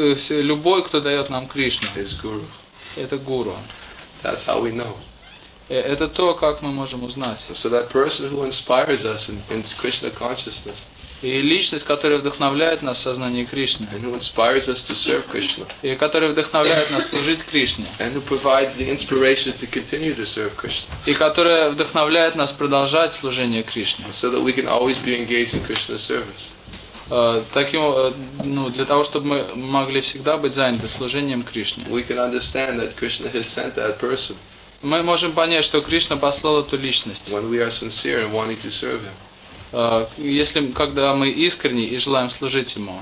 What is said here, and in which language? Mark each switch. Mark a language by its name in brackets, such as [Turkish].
[Russian] любой, кто дает нам Кришну, [English] is guru. [Russian] Это гуру. [English] That's how we know. [Russian] Это то, как мы можем узнать. [English] So that person who inspires us in Krishna consciousness. [Russian] И личность, которая вдохновляет нас в сознании Кришны. [English] And who inspires us to serve Krishna. [Russian] И которая вдохновляет нас служить Кришне. [English] And who provides the inspiration to continue to serve Krishna. [Russian] И которая вдохновляет нас продолжать служение Кришне. [English] So that we can always be engaged in Krishna service. [Russian] Для того, чтобы мы могли всегда быть заняты служением Кришне. [English] We can understand that Krishna has sent that person. [Russian] Мы можем понять, что Кришна послал эту личность. [English] When we are sincere and wanting to serve him. [Russian] Когда мы искренни и желаем служить ему.